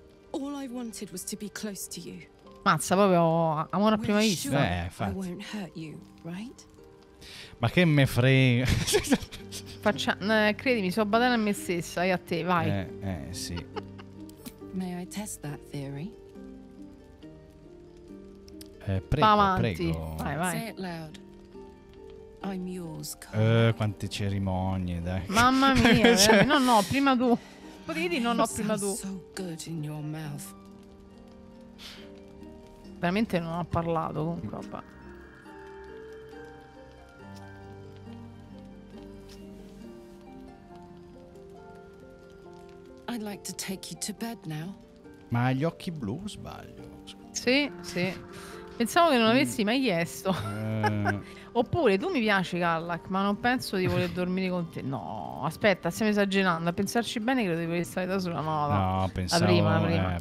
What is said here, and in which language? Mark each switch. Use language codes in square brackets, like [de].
[en] all I wanted was to be close to you. [it] Mazza, proprio amore a prima vista. [en] Sure, infatti. I won't hurt you, right? [it] Ma che me frega. Faccia, credimi, sto badando a me stessa e a te, vai. Sì. [en] May I test that theory? [it] Prego, prego. Vai, vai. [en] Say it loud. I'm yours, [it] Carl. Quante cerimonie, dai. Mamma mia. Cioè... No, no, prima tu. Potevi dire no, no, prima tu. [en] So good in your mouth. [it] Veramente non ho parlato con roba. [en] I'd like to take you to bed now. [it] Ma hai gli occhi blu, sbaglio? Sì, sì. Pensavo che non avessi mai chiesto. Oppure tu mi piaci, Kallak, ma non penso di voler dormire con te. No, aspetta, stiamo esagerando. A pensarci bene, credo di voler stare da sola. No, no, pensavo la prima, la prima.